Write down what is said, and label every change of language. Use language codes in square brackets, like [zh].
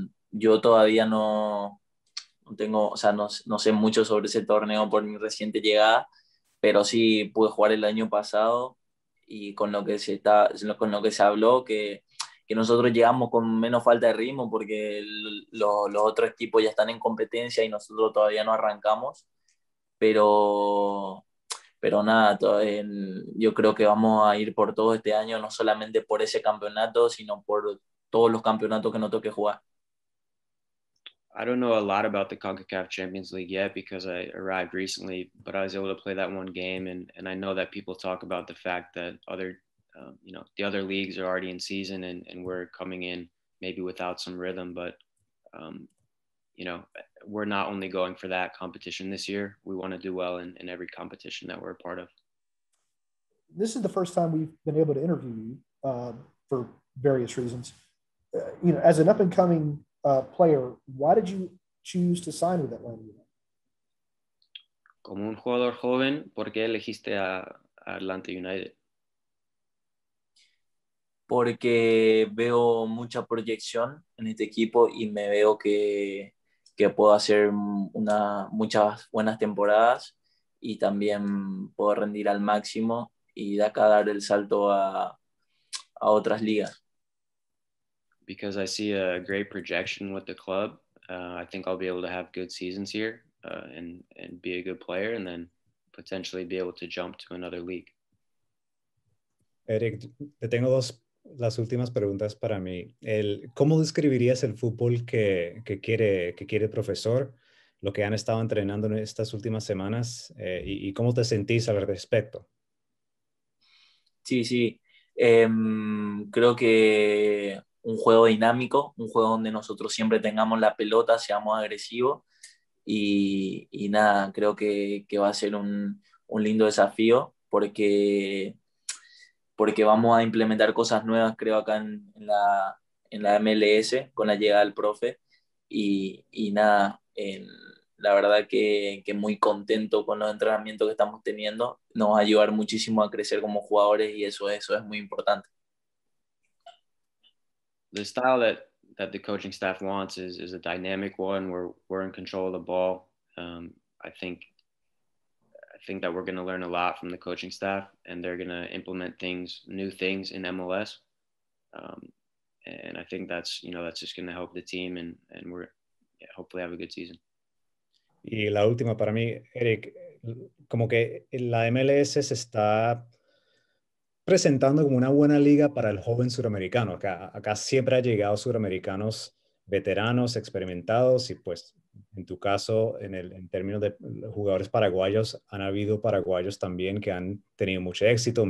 [es] Yo todavía no tengo, o sea, no sé mucho sobre ese torneo por mi reciente llegada, pero sí pude jugar el año pasado, y con lo que se habló, que nosotros llegamos con menos falta de ritmo porque los otros equipos ya están en competencia y nosotros todavía no arrancamos, pero nada, yo creo que vamos a ir por todo este año, no solamente por ese campeonato, sino por todos los campeonatos que nos toque jugar. [en] I don't know a lot about the CONCACAF Champions League yet because I arrived recently, but I was able to play that one game. And I know that people talk about the fact that other, you know, the other leagues are already in season and we're coming in maybe without some rhythm, but you know, we're not only going for that competition this year, we want to do well in every competition that we're a part of. This is the first time we've been able to interview you for various reasons, you know, as an up and coming player, why did you choose to sign with Atlanta? [es] Como un jugador joven, ¿por qué elegiste a Atlanta United? Porque veo mucha proyección en este equipo y me veo que puedo hacer una muchas buenas temporadas y también puedo rendir al máximo y de acá dar el salto a otras ligas. [en] Because I see a great projection with the club, I think I'll be able to have good seasons here and be a good player and then potentially be able to jump to another league. [es] Eric, te tengo las últimas preguntas para mí. ¿Cómo describirías el fútbol que quiere el profesor, lo que han estado entrenando en estas últimas semanas y cómo te sentís al respecto? Sí, sí. Creo que un juego dinámico, un juego donde nosotros siempre tengamos la pelota, seamos agresivos y nada, creo que va a ser un lindo desafío porque vamos a implementar cosas nuevas, creo, acá en la MLS con la llegada del profe y nada, la verdad que muy contento con los entrenamientos que estamos teniendo, nos va a ayudar muchísimo a crecer como jugadores y eso es muy importante. [en] The style that the coaching staff wants is a dynamic one where we're in control of the ball. I think that we're going to learn a lot from the coaching staff and they're going to implement things, new things in MLS. And I think that's, you know, that's just going to help the team and we're hopefully have a good season. [es] Y la última para mí, Eric, como que la MLS se está presentando como una buena liga para el joven suramericano. Acá siempre ha llegado suramericanos veteranos, experimentados, y pues en tu caso, en términos de jugadores paraguayos, han habido paraguayos también que han tenido mucho éxito.